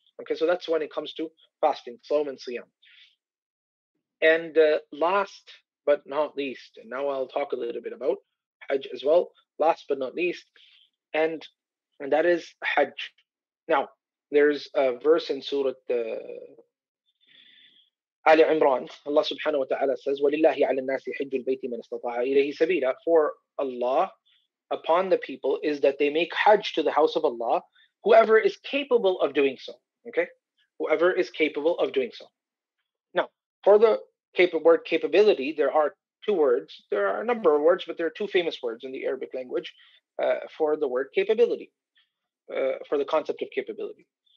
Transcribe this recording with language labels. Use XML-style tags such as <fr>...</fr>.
<en>Okay, so that's when it comes to fasting, Sawm and Siyam. And last but not least, and now I'll talk a little bit about Hajj as well. Last but not least, and that is Hajj. Now, there's a verse in Surah Ali Imran.</en> <ar>Allah subhanahu wa ta'ala says, وَلِلَّهِ عَلَى النَّاسِ حَجُّ الْبَيْتِ مَنْ اسْتَطَاعَ إِلَيْهِ سَبِيلًا.</ar> <en>For Allah, upon the people, is that they make Hajj to the house of Allah, whoever is capable of doing so. Okay, whoever is capable of doing so. Now, for the word capability, there are two words. There are a number of words, but there are two famous words in the Arabic language for the word capability, for the concept of capability.</en>